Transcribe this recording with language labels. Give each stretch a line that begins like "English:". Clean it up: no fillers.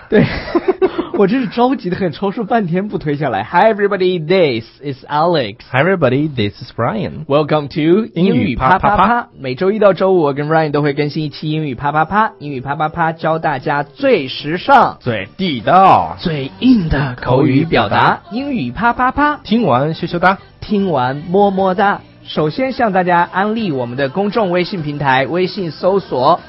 Chinese: 对，我真是着急的很，抽搐半天不推下来。
English: Hi everybody, this is Alex. Hi everybody, this is Brian. Welcome to
Chinese: 英语啪啪啪。每周一到周五，我跟 Brian 都会更新一期英语啪啪啪。英语啪啪啪教大家最时尚、最地道、最硬的口语表达。英语啪啪啪，听完羞羞哒，听完么么哒。首先向大家安利我们的公众微信平台，微信搜索